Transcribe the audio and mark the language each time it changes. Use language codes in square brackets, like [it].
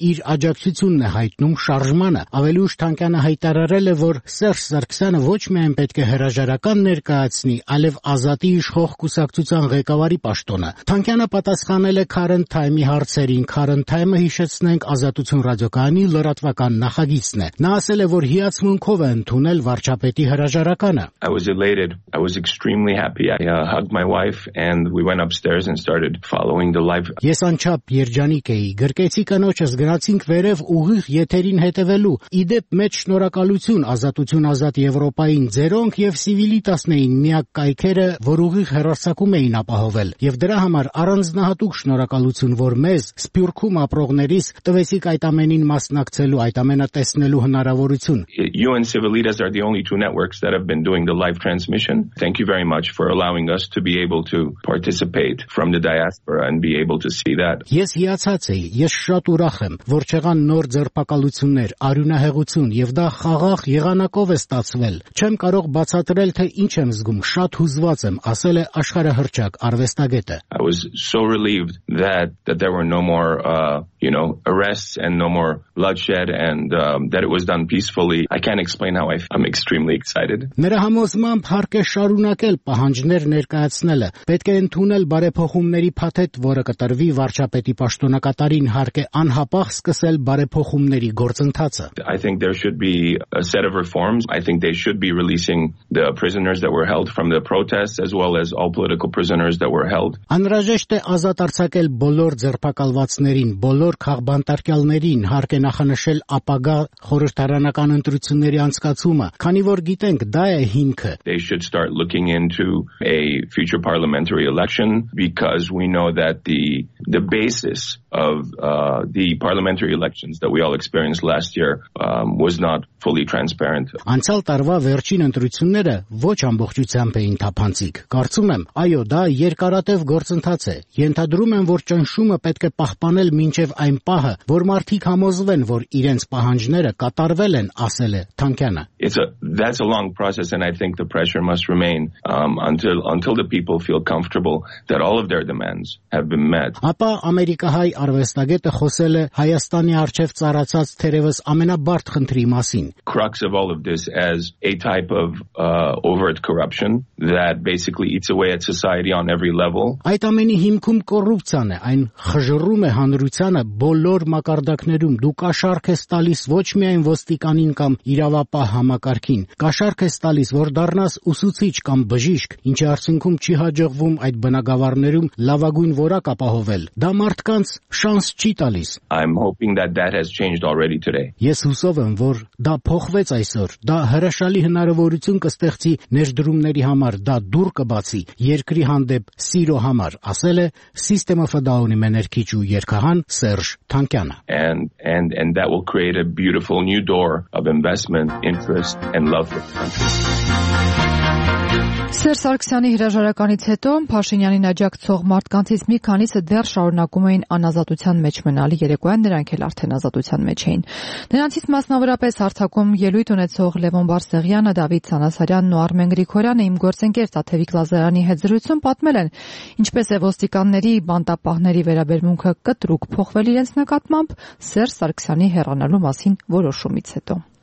[hy] իր աջակցությունն է հայտնում շարժմանը։ Ավելի ուշ Թանկյանը հայտարարել է, որ Սերժ Սարգսյանը ոչ միայն պետք է հրաժարական ներկայացնի, այլև ազատի իշխող կուսակցության ղեկավարի պաշտոնը։ Թանկյանը պատասխանել է Քարեն Թայմի հարցերին, Քարեն Թայմը, հիշեցնենք, Ազատություն ռադիոկայանի լրատվական նախագիծն է։ Նա ասել է, որ հիացմունքով է ընդունել վարչապետի հրաժարականը։ [en] I was elated. I was extremely happy. I hugged my wife and we went upstairs and started following the live. [hy] Ես անչափ երջանիկ էի, գրկեցի կնոջս, գնացինք վերև ուղիղ եթերին հետևելու։ Իդեպ մեծ շնորհակալություն Ազատություն ազատ Եվրոպային ձերոնք և Սիվիլիտասն էին միակ կայքերը, որ ուղիղ հեռարձակում էին ապահովել, և դրա համար առանձնահատուկ շնորհակալություն որ մեզ Սփյուռքում ապրողներիս տվեցիք այդ ամենին մասնակցելու, այդ ամենը տեսնելու հնարավորություն։ [en] You and Civilitas are the only two networks that have been doing the live transmission. Thank you very much for allowing us to be able to participate from the diaspora and be able to see that. [hy] Ես հիացած եի, ես շատ ուրախ եմ, որ չեղան նոր ձերբակալություններ, արյունահեղություն, և դա խաղաղ եղանակով է ստացվել։ Չեմ կարող բացատրել, թե ինչ եմ զգում, շատ հուզված եմ, ասել է աշխարհահռչակ արվեստագետը։ [en] I was so relieved that there were no more arrests and no more bloodshed and that it was done peacefully. I can't explain how I'm extremely excited. [hy] Մեր համոզման փարկե շարունակել պահանջներ ներկայացնելը, պետք է ընդունել բարեփոխումների փաթեթ, որը կտրվի վարչապետի պաշտոնակատարին, հարկ է անհապաղ սկսել բարեփոխումների գործընթացը։ [en] I think there should be a set of reforms. I think they should be releasing the prisoners that were held from the protests as well as all political prisoners that were held. [hy] Անհրաժեշտ է ազատ արձակել բոլոր ձերբակալվածներին, բոլոր քաղբանտարկյալներին, հարկ է նախանշել ապագա խորհրդարանական ընտրությունների անցկացումը, քանի որ գիտենք, դա է հիմքը։ [en] They should start looking into a future parliamentary election because we know that the basis of the parliamentary elections that we all experienced last year was not fully transparent. [hy] Անցյալ տարվա վերջին ընտրությունները ոչ ամբողջությամբ էին թափանցիկ։ Կարծում եմ, այո, դա երկարատև գործընթաց է։ Ենթադրում եմ, որ ճնշում հաշվառությունը պետք է պահպանել մինչև այն պահը, որ մարդիկ համոզվեն, որ իրենց պահանջները կատարվել են, ասել է Թանկյանը. [en] That's a long process and I think the pressure must remain until the people feel comfortable that all of their demands have been met. [hy] Ապա ամերիկահայ արվեստագետը խոսել է Հայաստանի արչև ծառացած թերևս ամենաբարդ խնդրի մասին. [en] Crux of all of this as a type of overt corruption that basically eats away at society on every level. [hy] Այդ ամենի հիմքում կոռուպցիան է, այն խժռում է հանրությանը բոլոր մակարդակներում։ Դու կաշառք ես տալիս ոչ միայն ոստիկանին կամ իրավապահ համակարգին, կաշառք ես տալիս, որ դառնաս ուսուցիչ կամ բժիշկ, ինչի արդյունքում չի հաջողվում այդ բնակավարներում լավագույն որակ ապահովել։ Դա մարդկանց շանս չի տալիս։ [en] I'm hoping that that has changed already today. [hy] Ես հուսով եմ, որ դա փոխվեց այսօր, դա հրաշալի հնարավորություն կստեղծի ներդրումների համար, դա դուր կբացի երկրի հանդեպ սիրո համար, ասել է System of a Down մեներքիչ ու երկհան Սերժ Թանկյանը։ [en] And that will create a beautiful new door of investment, interest and love for the country. [hy] Սերժ Սարգսյանի հրաժարականից հետո Փաշինյանին աջակցող մարդկանցից մի քանիսը դեռ շարունակում էին անազատության մեջ մնալ, երեկոյան նրանք էլ արդեն ազատության մեջ էին։ Նրանցից մասնավորապես հարթակում ելույթ ունեցող Լևոն Բարսեղյանը, Դավիթ Սանասարյանն ու Արմեն Գրիգորյանը իմ գործընկեր Տաթևիկ Լազարյանի հետ զրույցում պատմել են, ինչպես է ոստիկանների բանտապահների վերաբերմունքը կտրուկ փոխվել իրենց նկատմամբ Սերժ Սարգսյանի հեռանալու մասին որոշումից հետո։